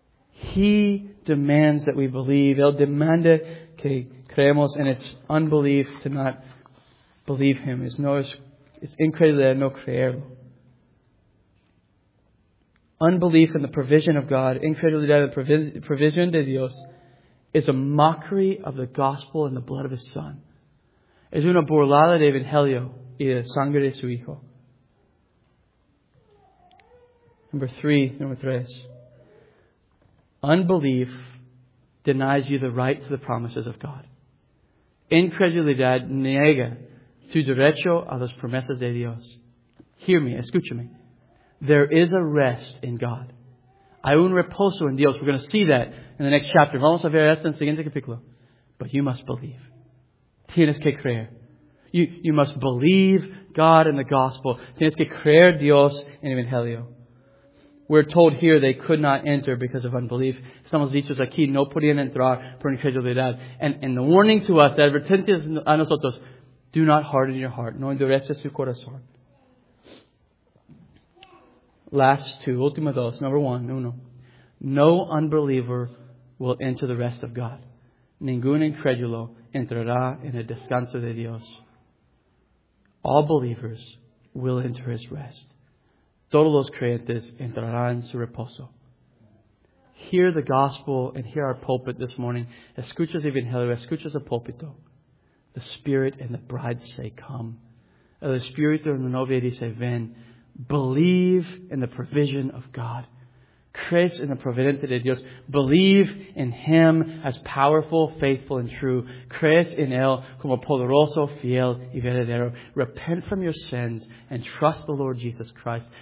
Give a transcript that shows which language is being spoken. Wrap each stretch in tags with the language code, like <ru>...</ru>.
<en>He demands that we believe.</en> <es>Él demanda que creemos,</es> <en>and it's unbelief to not believe him. It's</en> <es>increíble no creerlo.</es> <en>Unbelief in the provision of God,</en> <es>incredulidad</es> <en>in the provision</en> <es>de Dios,</es> <en>is a mockery of the gospel and the blood of his Son.</en> <es>Es una burlada de Evangelio y de sangre de su Hijo.</es> <en>Number 3. Unbelief denies you the right to the promises of God.</en> <es>Incredulidad niega tu derecho a las promesas de Dios.</es> <en>Hear me,</en> <es>escúchame.</es> <en>There is a rest in God.</en> <es>Hay un reposo en Dios.</es> <en>We're going to see that in the next chapter.</en> <es>Vamos a ver esto en el siguiente capítulo.</es> <en>But you must believe.</en> <es>Tienes que creer.</es> <en>You must believe God and the gospel.</en> <es>Tienes que creer Dios en Evangelio.</es> <en>We're told here they could not enter because of unbelief.</en> <es>Estamos dichos aquí, no podían entrar por incredulidad.</es> <en>And the warning to us, the</en> <es>advertencia a nosotros,</es> <en>do not harden your heart.</en> <es>No endureces su corazón.</es> <en>Number 1. No unbeliever will enter the rest of God.</en> <es>Ningún incrédulo entrará en el descanso de Dios.</es> <en>All believers will enter his rest.</en> <es>Todos los creyentes entrarán su reposo.</es> <en>Hear the gospel and hear our pulpit this morning.</en> <es>Escuchas Evangelio, escuchas el púlpito.</es> <en>The Spirit and the Bride say, come.</en> <es>El Espíritu y la Novia dice, ven.</es> <en>Believe in the provision of God.</en> <es>Crees en la providencia de Dios.</es> <en>Believe in Him as powerful, faithful, and true.</en> <es>Crees en Él como poderoso, fiel y verdadero.</es> <en>Repent from your sins and trust the Lord Jesus Christ.</en>